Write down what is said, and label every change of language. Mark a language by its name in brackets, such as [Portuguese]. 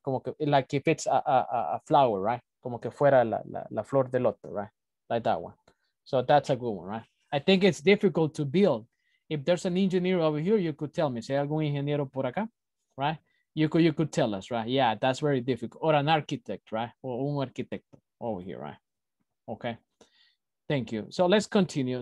[Spanish] Como que, [English] like if it's a flower, right? [Spanish] Como que fuera la flor del loto, right? [English] Like that one. So that's a good one, right? I think it's difficult to build. If there's an engineer over here, you could tell me. [Spanish] Si hay algún ingeniero por acá, right? [English] You could tell us, [Spanish] right? [English] Yeah, that's very difficult. Or an architect, right? Or [Spanish] un arquitecto [English] over here, right? Okay. Thank you. So let's continue.